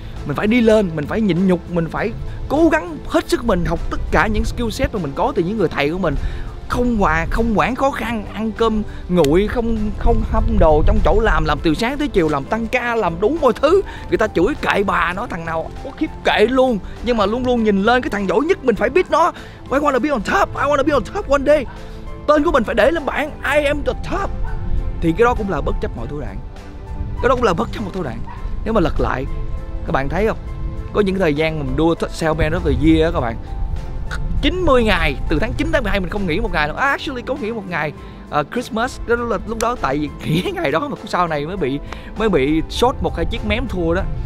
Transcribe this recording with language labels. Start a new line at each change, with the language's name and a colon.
Vietnamese: Mình phải đi lên, mình phải nhịn nhục, mình phải cố gắng hết sức mình, học tất cả những skill set mà mình có từ những người thầy của mình. Không quản khó khăn, ăn cơm nguội, không hâm đồ trong chỗ làm từ sáng tới chiều, làm tăng ca, làm đủ mọi thứ. Người ta chửi kệ bà nó, thằng nào có khiếp kệ luôn. Nhưng mà luôn luôn nhìn lên cái thằng giỏi nhất, mình phải beat nó.
English: I wanna be on top, I wanna be on top one day.
Vietnamese: Tên của mình phải để lên bảng,
English: I am the top.
Vietnamese: Thì cái đó cũng là bất chấp mọi thủ đoạn. Cái đó cũng là bất chấp mọi thủ đoạn. Nếu mà lật lại, các bạn thấy không? Có những thời gian mình đua salesman rất là dear các bạn. 90 ngày, từ tháng 9 tháng 12 mình không nghỉ một ngày luôn. Actually có nghỉ một ngày Christmas, đó là lúc đó tại vì nghỉ ngày đó mà sau này mới bị short một hai chiếc mém thua đó.